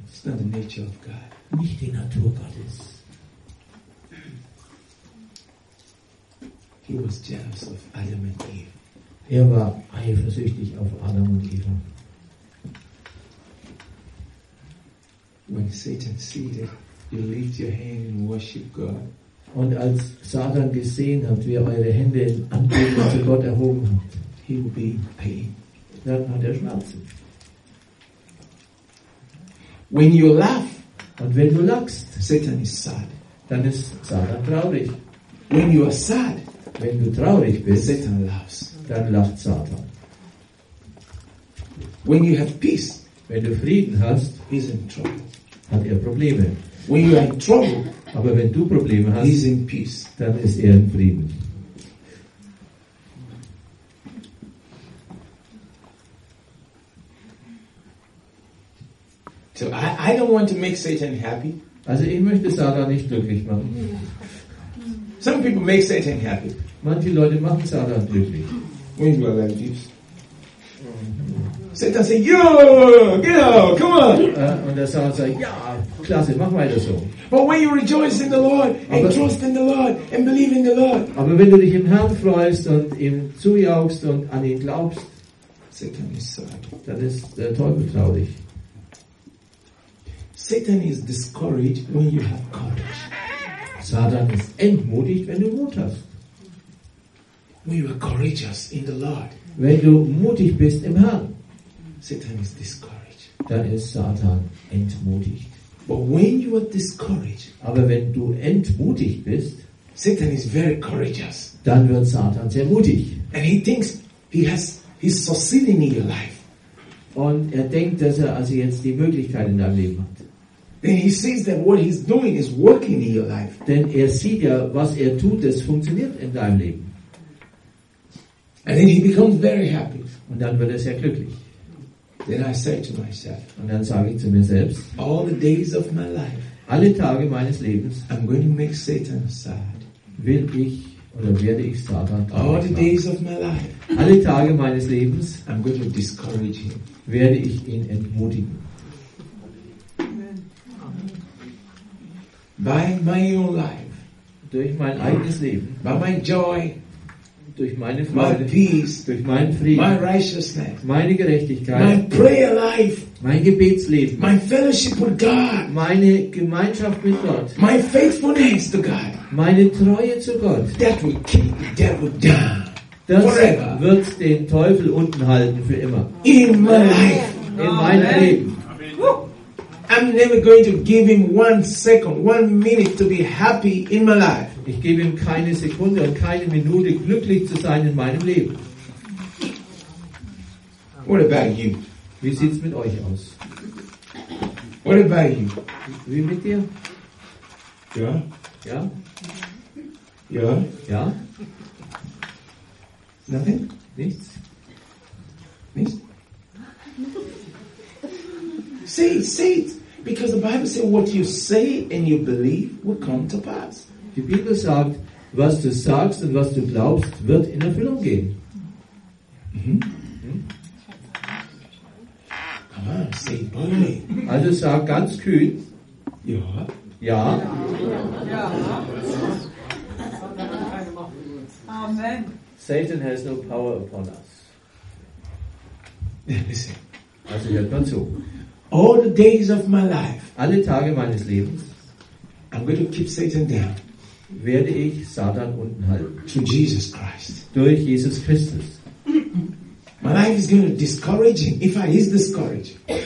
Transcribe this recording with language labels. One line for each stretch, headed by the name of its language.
English: It's not the nature of God.
German: Nicht die Natur Gottes.
English: He was jealous of Adam and Eve.
German: Er war eifersüchtig auf Adam und Eva.
English: When Satan sees it, you lift your hand and worship God.
German: Und als Satan gesehen hat, wie er eure Hände in Anbetung zu Gott erhoben hat,
English: he will be in pain.
German: Dann hat er Schmerzen.
English: When you laugh,
German: und wenn du lachst,
English: Satan is sad.
German: Dann ist Satan traurig.
English: When you are sad,
German: wenn du traurig bist,
English: Satan laughs.
German: Dann lacht Satan.
English: When you have peace,
German: wenn du Frieden hast,
English: he's in trouble.
German: Hat er Probleme.
English: When you are in trouble,
German: aber wenn du Probleme hast,
English: he's in peace.
German: Dann ist er in Frieden.
English: So I don't want to make Satan happy.
German: Also ich möchte Satan nicht glücklich machen.
English: Some people make Satan happy.
German: Manche Leute machen Satan glücklich.
English: When you are like this. Satan
German: sagt,
English: yo, get out, come on.
German: Und der Satan sagt, ja, klasse, mach weiter so.
English: But when you rejoice in the Lord and aber, trust in the Lord and believe in the Lord.
German: Aber wenn du dich im Herrn freust und ihm zujaugst und an ihn glaubst,
English: Satan is sad.
German: Dann ist der Teufel traurig.
English: Satan is discouraged when you have courage.
German: Satan ist entmutigt, wenn du Mut hast.
English: When you are courageous in the Lord.
German: Wenn du mutig bist im Herrn.
English: Satan is discouraged.
German: Dann ist Satan entmutigt.
English: But when you are discouraged,
German: aber wenn du entmutigt bist,
English: Satan is very courageous.
German: Dann wird Satan sehr mutig.
English: And he thinks he's succeeding in your life.
German: Und er denkt, dass er also jetzt die Möglichkeit in deinem Leben hat.
English: Then he sees that what he's doing is working in your life.
German: Denn er sieht ja, was er tut, das funktioniert in deinem Leben.
English: And then he becomes very happy.
German: Und dann wird er sehr glücklich.
English: Then I say to myself,
German: und dann sage ich zu mir selbst,
English: all the days of my life,
German: alle Tage meines Lebens,
English: I'm going to make Satan sad.
German: Will ich oder werde ich Satan traurig
English: all the days of my life,
German: alle Tage meines Lebens,
English: I'm going to discourage him.
German: Werde ich ihn entmutigen.
English: By my own life,
German: durch mein eigenes Leben,
English: by my joy,
German: durch meine Freude,
English: my peace,
German: durch meinen Frieden,
English: my righteousness,
German: meine Gerechtigkeit,
English: my prayer life,
German: mein Gebetsleben,
English: my fellowship with God,
German: meine Gemeinschaft mit Gott,
English: my faithfulness to God,
German: meine Treue zu Gott,
English: that will keep the devil down.
German: Das wird den Teufel unten halten für immer.
English: In my life.
German: In meinem Leben.
English: I'm never going to give him one second, one minute to be happy in my life.
German: Ich gebe ihm keine Sekunde und keine Minute glücklich zu sein in meinem Leben.
English: What about you?
German: Wie sieht's mit euch aus?
English: What about you?
German: Wie mit dir? Ja. Ja. Ja. Ja.
English: Nothing?
German: Nichts? Nichts?
English: Say it, say it. Because the Bible says what you say and you believe will come to pass.
German: Die Bibel sagt, was du sagst und was du glaubst, wird in Erfüllung gehen.
English: Mm-hmm. Come on, say it boldly.
German: Also sag ganz kühn. Ja. Ja.
English: Amen. Satan has no power upon us. Listen.
German: Also hört mal zu.
English: All the days of my life,
German: alle Tage meines Lebens,
English: I'm going to keep Satan down,
German: werde ich Satan unten halten.
English: To Jesus Christ.
German: Durch Jesus Christus.
English: My life is going to discourage him if I is discouraged.